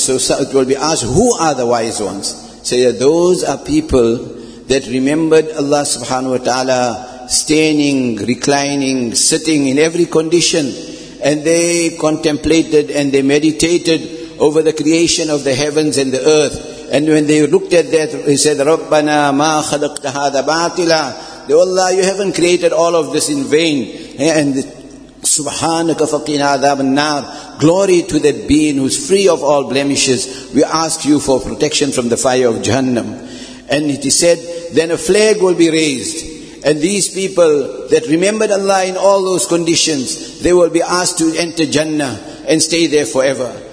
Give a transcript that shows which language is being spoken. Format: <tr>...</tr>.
<en>So it will be asked, who are the wise ones? Say that those are people that remembered Allah subhanahu wa ta'ala standing, reclining, sitting in every condition. And they contemplated and they meditated over the creation of the heavens and the earth. And when they looked at that, he said,</en> <ar>رَبَّنَا مَا خَلَقْتَ هَذَا بَاطِلًا.</ar> <en>Oh Allah, you haven't created all of this in vain.</en> <ar>And سُبْحَانَكَ فَقِنَا عَذَابَ النَّارِ.</ar> <en>Glory to that being who is free of all blemishes. We ask you for protection from the fire of Jahannam. And it is said, then a flag will be raised. And these people that remembered Allah in all those conditions, they will be asked to enter Jannah and stay there forever.</en>